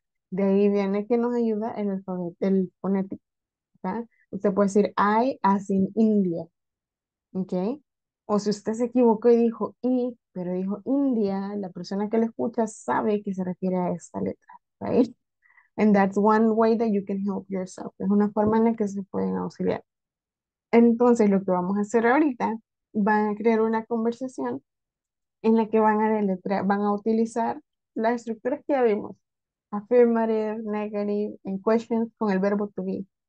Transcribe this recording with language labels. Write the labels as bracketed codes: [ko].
[es] De ahí viene que nos ayuda el alfabeto, el fonético. ¿Verdad? Usted puede decir I [en] as in India. [es] ¿Ok? O si usted se equivocó y dijo I, pero dijo India, la persona que lo escucha sabe que se refiere a esta letra. [en] ¿Right? And that's one way that you can help yourself. [es] Es una forma en la que se pueden auxiliar. Entonces, lo que vamos a hacer ahorita, van a crear una conversación en la que van a utilizar las estructuras que ya vimos. [en] Affirmative, negative, and questions [es] con el verbo [en] to be.